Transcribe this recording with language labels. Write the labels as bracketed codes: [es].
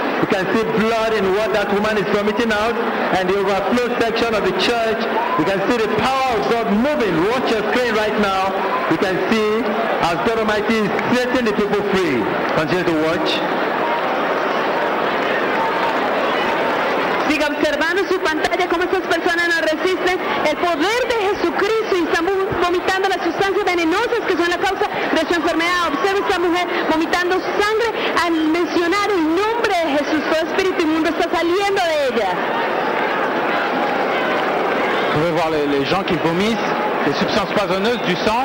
[en] You can see blood in what that woman is vomiting out and the overflow section of the church. You can see the power of God moving. Watch your screen right now. You can see as God Almighty is setting the people free. Continue to watch. [es] Siga observando su pantalla cómo esas personas no resisten el poder de Jesucristo y están vomitando las sustancias venenosas que son la causa de su enfermedad. Observe esta mujer vomitando sangre al mencionar el nombre de Jesús. Todo espíritu inmundo está saliendo de ella. [fr] Vous pouvez voir les gens qui vomissent les substances poisonneuses du sang.